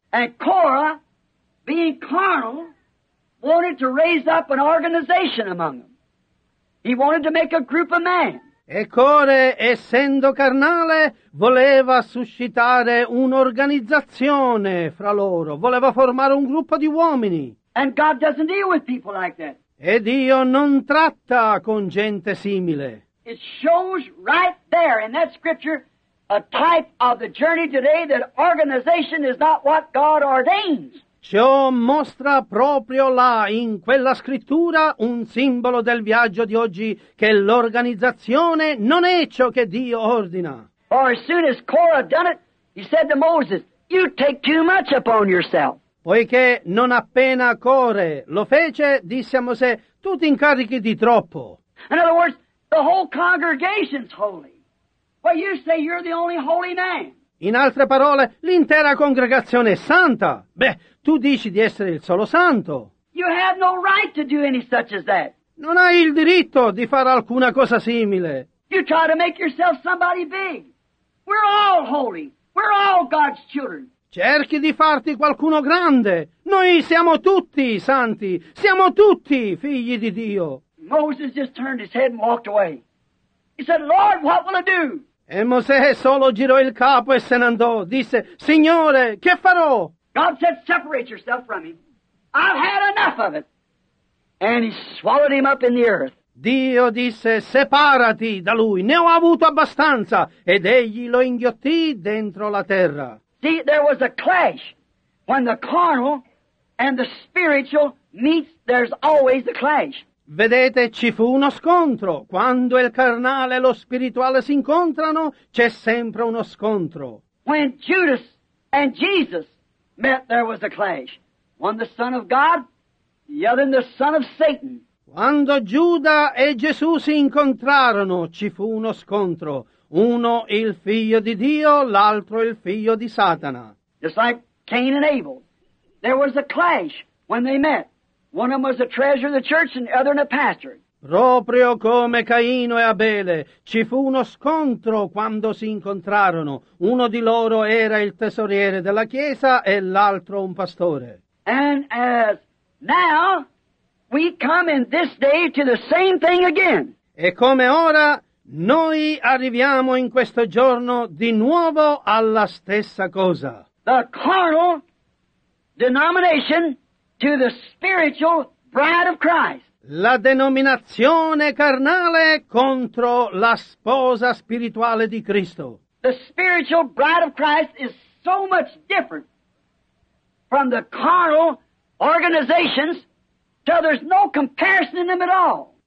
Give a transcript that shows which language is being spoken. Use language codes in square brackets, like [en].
[en] And Korah, being carnal, wanted to raise up an organization among them. He wanted to make a group of men. [it] E Core, essendo carnale, voleva suscitare un'organizzazione fra loro, voleva formare un gruppo di uomini. [en] And God doesn't deal with people like that. [it] E Dio non tratta con gente simile. [en] It shows right there in that scripture a type of the journey today that organization is not what God ordains. [it] Ciò mostra proprio là, in quella scrittura, un simbolo del viaggio di oggi, che l'organizzazione non è ciò che Dio ordina. [en] For as soon as Korah done it, he said to Moses, you take too much upon yourself. [it] Poiché non appena Core lo fece, disse a Mosè, tu ti incarichi di troppo. [en] In other words, the whole congregation's holy. But you say you're the only holy man. [it] In altre parole, l'intera congregazione è santa. Beh, tu dici di essere il solo santo. [en] You have no right to do any such as that. [it] Non hai il diritto di fare alcuna cosa simile. [en] You try to make yourself somebody big. We're all holy. We're all God's children. [it] Cerchi di farti qualcuno grande. Noi siamo tutti santi. Siamo tutti figli di Dio. [en] Moses just turned his head and walked away. He said, Lord, what will I do? [it] E Mosè solo girò il capo e se ne andò. Disse, Signore, che farò? [en] God said, separate yourself from him. I've had enough of it. And he swallowed him up in the earth. [it] Dio disse, separati da lui. Ne ho avuto abbastanza. Ed egli lo inghiottì dentro la terra. [en] See, there was a clash. When the carnal and the spiritual meets, there's always a clash. [it] Vedete, ci fu uno scontro. Quando il carnale e lo spirituale si incontrano, c'è sempre uno scontro. [en] When Judas and Jesus met, there was a clash. One the Son of God, the other the son of Satan. [it] Quando Giuda e Gesù si incontrarono, ci fu uno scontro. Uno il figlio di Dio, l'altro il figlio di Satana. [en] Just like Cain and Abel. There was a clash when they met. One of them was a treasure of the church and the other in a pastor. [it] Proprio come Caino e Abele, ci fu uno scontro quando si incontrarono. Uno di loro era il tesoriere della chiesa e l'altro un pastore. [en] And as now, we come in this day to the same thing again. [it] E come ora, noi arriviamo in questo giorno di nuovo alla stessa cosa. [en] The carnal denomination to the spiritual bride of Christ. [it] La denominazione carnale contro la sposa spirituale di Cristo. [en] The spiritual bride of Christ is so much different from the carnal organizations till there's no comparison in them at all.